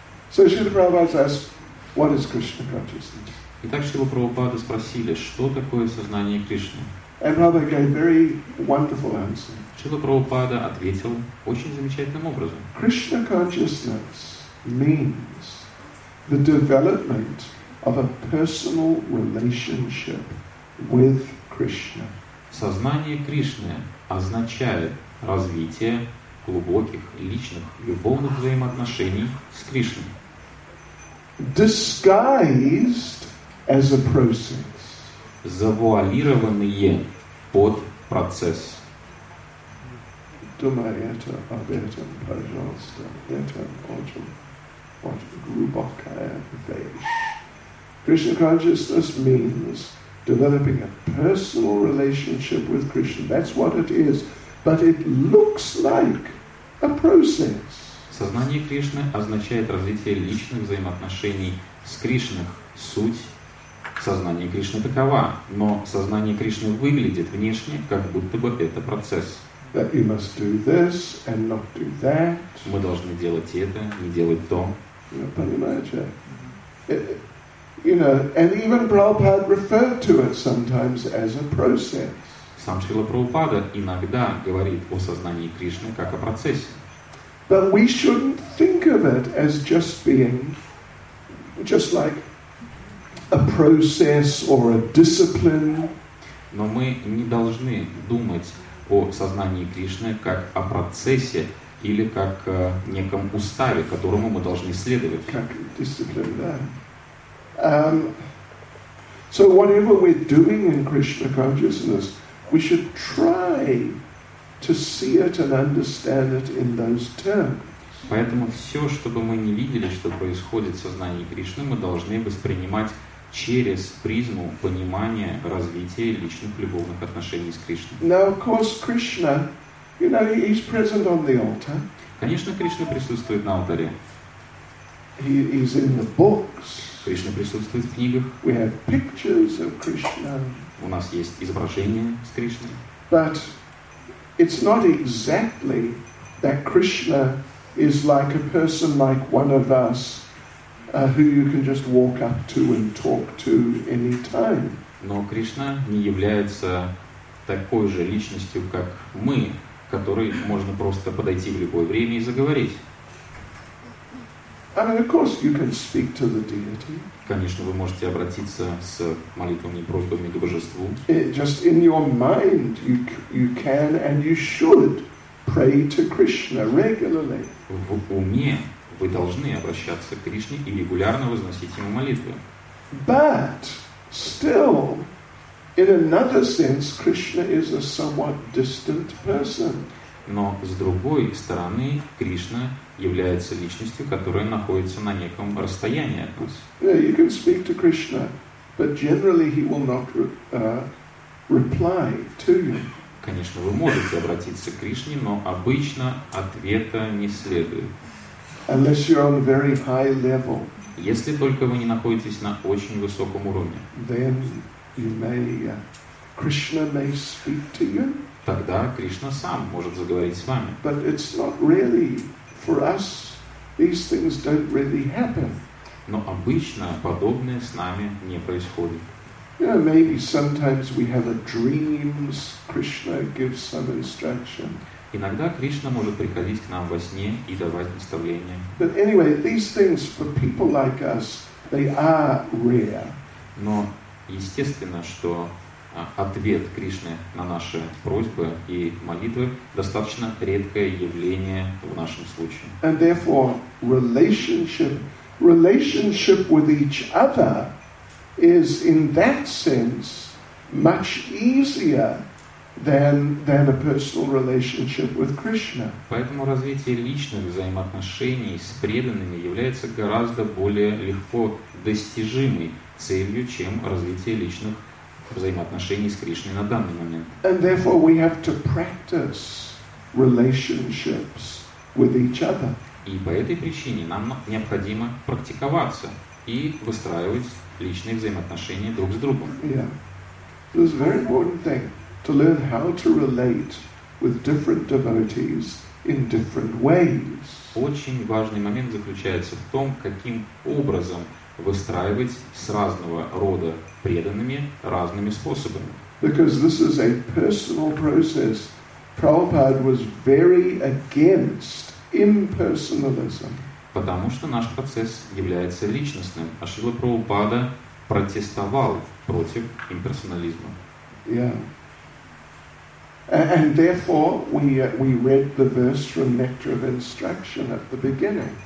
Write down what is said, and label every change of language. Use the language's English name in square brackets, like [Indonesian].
[English] So Srila Prabhupada asked, what is Krishna consciousness? [Russian] Итак, Шрила Прабхупада спросили, что такое сознание Кришны? [English] And Prabhupada gave a very wonderful answer. [Russian] Шрила Прабхупада ответил очень замечательным образом. [English] Krishna consciousness means the development of a personal relationship with Krishna. [Russian] Сознание Кришны означает развитие глубоких личных любовных взаимоотношений с Кришной. [English] Disguised as a process. [Russian] Завуалированные под процесс. Думаю, это об этом, пожалуйста, это очень глубокая вещь. [English] Krishna consciousness means developing a personal relationship with Krishna. That's what it is. But it looks like a process. [Russian] Сознание Кришны означает развитие личных взаимоотношений с Кришной. Суть сознания Кришны такова. Но сознание Кришны выглядит внешне, как будто бы это процесс. [English] That you must do this and not do that. [Russian] Мы должны делать это, не делать то. Понимаете? [English] You know, and even Prabhupada referred to it sometimes as a process. [Russian] Сам Шрила Прабхупада иногда говорит о сознании Кришны как о процессе. [English] But we shouldn't think of it as just being just like a process or a discipline. [Russian] Но мы не должны думать о сознании Кришны как о процессе или как о неком уставе, которому мы должны следовать. Как дисциплина, да. [English] So whatever we're doing in Krishna consciousness, we should try to see it and understand it in those terms. [Russian] Поэтому все, чтобы мы не видели, что происходит в сознании Кришны, мы должны воспринимать через призму понимания развития личных любовных отношений с Кришной. [English] Now, of course, Krishna, you know, he's present on the altar. [Russian] Конечно, Кришна присутствует на алтаре. [English] He is in the books. [Russian] Кришна присутствует в книгах. [English] We have pictures of Krishna. [Russian] У нас есть изображения с Кришной. [English] But it's not exactly that Krishna is like a person like one of us, who you can just walk up to and talk to anytime. [Russian] Но Кришна не является такой же личностью, как мы, которой можно просто подойти в любое время и заговорить. [English] I mean, of course you can speak to the deity. [Russian] Конечно, вы можете обратиться с молитвами и просьбами к божеству. [English] Just in your mind you can and you should pray to Krishna regularly. [Russian] В уме вы должны обращаться к Кришне и регулярно возносить ему молитвы. [English] But still, in another sense, Krishna is a somewhat distant person. [Russian] Но с другой стороны, Кришна является личностью, которая находится на неком расстоянии от нас. [English] Yeah, you can speak to Krishna, but generally he will not reply to you. [Russian] Конечно, вы можете обратиться к Кришне, но обычно ответа не следует. [English] Unless you're on a very high level. [Russian] Если только вы не находитесь на очень высоком уровне. [English] Then you may, Krishna may speak to you. [Russian] Тогда Кришна сам может заговорить с вами. [English] But it's not really for us. These things don't really happen. [Russian] Но обычно подобное с нами не происходит. [English] Yeah, maybe sometimes we have a dream. Krishna gives some instruction. [Russian] Иногда Кришна может приходить к нам во сне и давать наставления. [English] But anyway, these things for people like us, they are rare. [Russian] Но естественно, что ответ Кришны на наши просьбы и молитвы достаточно редкое явление в нашем случае. [English] And therefore, relationship with each other is in that sense much easier than a personal relationship with Krishna. [Russian] Поэтому развитие личных взаимоотношений с преданными является гораздо более легко достижимой целью, чем развитие личных взаимоотношений с Кришной на данный момент. [English] And therefore we have to practice relationships with each other. [Russian] И по этой причине нам необходимо практиковаться и выстраивать личные взаимоотношения друг с другом. [English] Yeah. It's a very important thing to learn how to relate with different devotees in different ways. [Russian] Очень важный момент заключается в том, каким образом выстраивать с разного рода преданными разными способами. [English] Because this is a personal process. Prabhupada was very against impersonalism. [Russian] Потому что наш процесс является личностным. А Шрила Прабхупада протестовал против имперсонализма. [English] Yeah. And therefore we read the verse from Nectar of Instruction at the beginning.